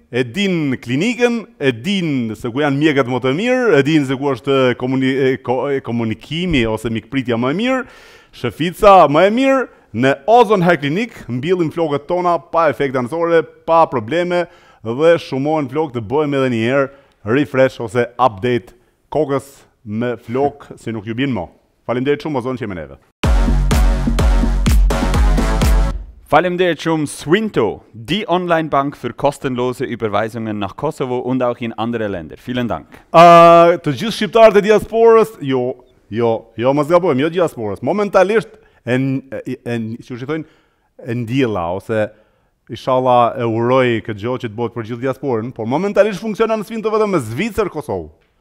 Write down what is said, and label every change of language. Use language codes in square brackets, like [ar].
[sq] e din klinikën, e din se ku janë mjekët më të mirë, e din se ku është komunikimi ose mikpritja më e mirë, shëfica më e mirë, në Ozon Hair Clinic mbillim flokët tona pa efekte anësore, pa probleme dhe shumohen flokët, bëjmë edhe njëherë refresh ose update kokës me flokë se nuk ju binë mo. Faleminderit shumë, Ozon, që jemi neve. Faleminderit shumë [de] Swinto, die Online-Bank für kostenlose Überweisungen nach Kosovo und auch in andere Länder. Vielen Dank. [sq] Të gjithë shqiptarët e diasporës, jo, mos gabojmë, jo diasporës. Momentalisht ndjella ose inshallah e uroj këtë gjë që të bëhet për gjithë diasporën, por momentalisht funksionon Swinto vetëm me Zvicër Kosovë.